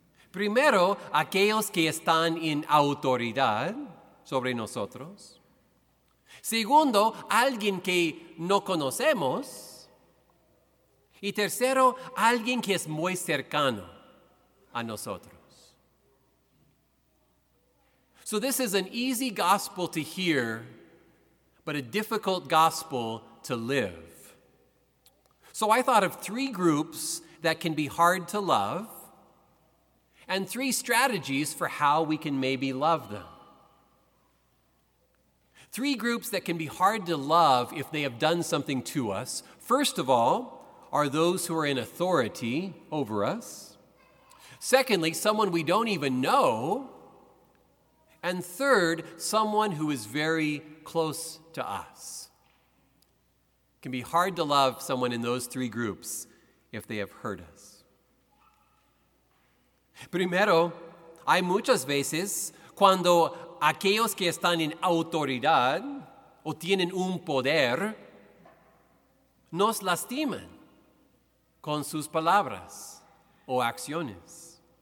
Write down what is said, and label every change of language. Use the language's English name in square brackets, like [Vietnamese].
[Spanish] Primero, aquellos que están en autoridad sobre nosotros. Segundo, alguien que no conocemos. Y tercero, alguien que es muy cercano a nosotros. [English] So this is an easy gospel to hear, but a difficult gospel to live. So I thought of three groups that can be hard to love, and three strategies for how we can maybe love them. Three groups that can be hard to love if they have done something to us. First of all, are those who are in authority over us. Secondly, someone we don't even know. And third, someone who is very close to us. It can be hard to love someone in those three groups if they have hurt us. [Spanish] Primero, hay muchas veces cuando aquellos que están en autoridad o tienen un poder nos lastiman con sus palabras o acciones.